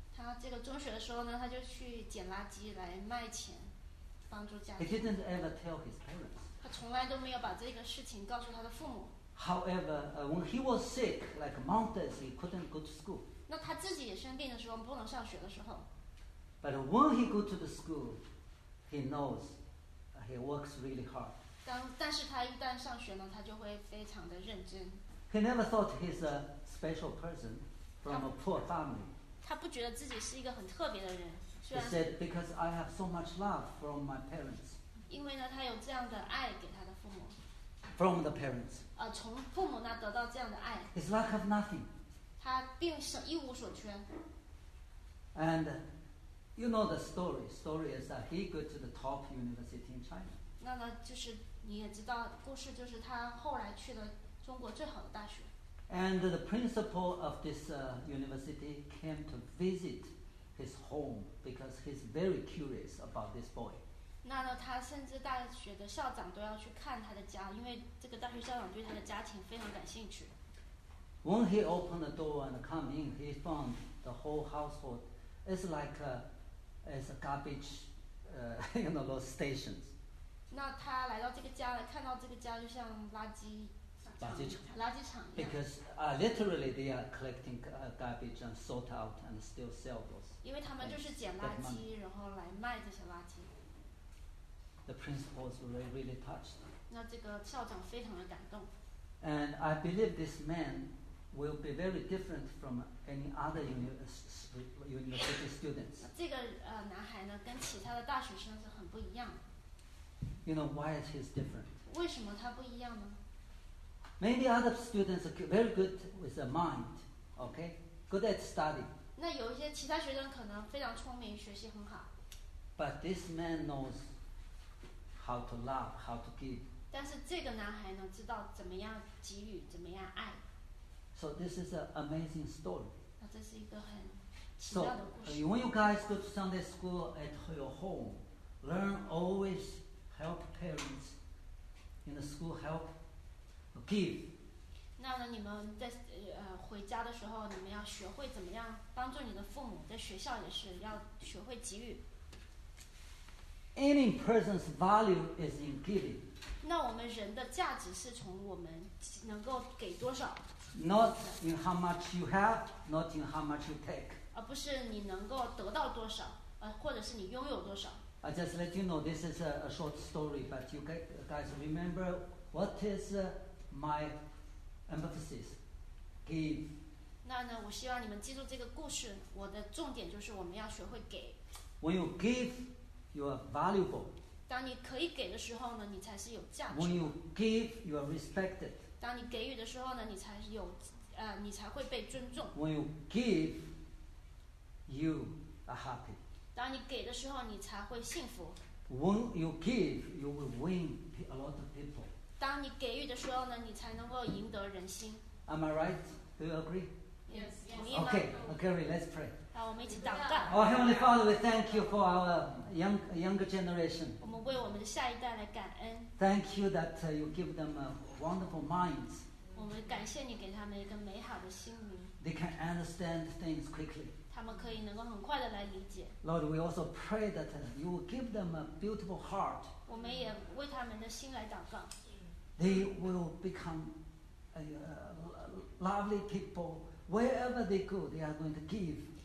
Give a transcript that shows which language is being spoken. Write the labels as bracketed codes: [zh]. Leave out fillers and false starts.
[zh] 他这个中学的时候呢，他就去捡垃圾来卖钱，帮助家庭。 [en] He didn't ever tell his parents. [zh] 他从来都没有把这个事情告诉他的父母。 [en] However, when he was sick, like months, he couldn't go to school. [zh] 那他自己也生病的时候，不能上学的时候。 [en] But when he go to the school, he knows he works really hard. [zh] 但是他一旦上学呢，他就会非常的认真。 [en] He never thought he's a special person from a poor family. [zh] 他不觉得自己是一个很特别的人。 [en] He said, "Because I have so much love from my parents." [zh] 因为呢，他有这样的爱给他的父母。 [en] From the parents. [zh] 从父母那得到这样的爱。 [en] His lack of nothing. [zh] 他并是一无所缺。 [en] And you know the story. Story is that he go to the top university in China. [zh] 那呢，就是你也知道故事，就是他后来去了中国最好的大学。 [en] And the principal of this university came to visit his home because he's very curious about this boy. [zh] 那呢，他甚至大学的校长都要去看他的家，因为这个大学校长对他的家庭非常感兴趣。 [en] When he opened the door and come in, he found the whole household is like a garbage, those stations. [zh] 那他来到这个家，看到这个家就像垃圾。 [en] 垃圾场 because literally they are collecting garbage and sort out and still sell those. [zh] 因为他们就是捡垃圾，然后来卖这些垃圾。 [en] The principal was really touched. [zh] 那这个校长非常的感动。 [en] And I believe this man will be very different from any other university students. [zh] 这个男孩呢，跟其他的大学生是很不一样。 [en] You know why he is different? [zh] 为什么他不一样呢？ [en] Maybe other students are very good with the mind, okay? Good at study. [zh] 那有一些其他学生可能非常聪明，学习很好。 [en] But this man knows how to love, how to give. [zh] 但是这个男孩呢，知道怎么样给予，怎么样爱。 [en] So this is an amazing story. [zh] 这是一个很奇妙的故事。 [en] So when you guys go to Sunday school at your home, learn always help parents in the school help give. [zh] 那你们在回家的时候，你们要学会怎么样帮助你的父母，在学校也是要学会给予。 [en] Any person's value is in giving. [zh] 那我们人的价值是从我们能够给多少。 [en] Not in how much you have, not in how much you take. [zh] 而不是你能够得到多少，或者是你拥有多少。 [en] I just let you know this is a short story, but you guys remember what is my emphasis? Give. [zh] 那呢，我希望你们记住这个故事。我的重点就是我们要学会给。 [en] When you give. You are valuable. [zh] 当你可以给的时候呢，你才是有价值。 [en] When you give, you are respected. [zh] 当你给予的时候呢，你才有，你才会被尊重。 [en] When you give, you are happy. [zh] 当你给的时候，你才会幸福。 [en] When you give, you will win a lot of people. [zh] 当你给予的时候呢，你才能够赢得人心。 [en] Am I right? Do you agree? Yes. Okay, let's pray. [zh] 我们一起祷告。 [en] Oh, Heavenly Father, we thank you for our younger generation. [zh] 我们为我们的下一代来感恩。 [en] Thank you that you give them a wonderful mind. [zh] 我们感谢你给他们一个美好的心灵。 [en] They can understand things quickly. [zh] 他们可以能够很快的来理解。 [en] Lord, we also pray that you will give them a beautiful heart. [zh] 我们也为他们的心来祷告。 [en] They will become a lovely people. Wherever they go, they are going to give.